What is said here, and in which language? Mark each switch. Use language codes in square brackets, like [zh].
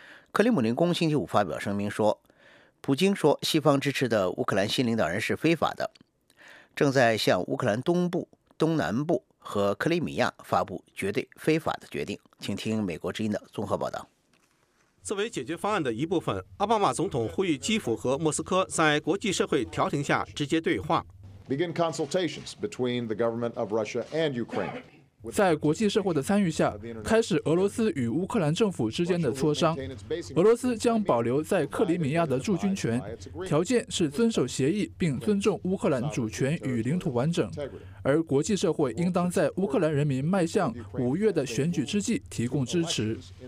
[zh] 克里姆林宫星期五发表声明说，普京说西方支持的乌克兰新领导人是非法的，正在向乌克兰东部、东南部和克里米亚发布绝对非法的决定。请听美国之音的综合报道。作为解决方案的一部分，奥巴马总统呼吁基辅和莫斯科在国际社会调停下直接对话。 [en] Begin consultations between the government of Russia and Ukraine. [zh] 在国际社会的参与下，开始俄罗斯与乌克兰政府之间的磋商。俄罗斯将保留在克里米亚的驻军权，条件是遵守协议并尊重乌克兰主权与领土完整。而国际社会应当在乌克兰人民迈向5月的选举之际提供支持。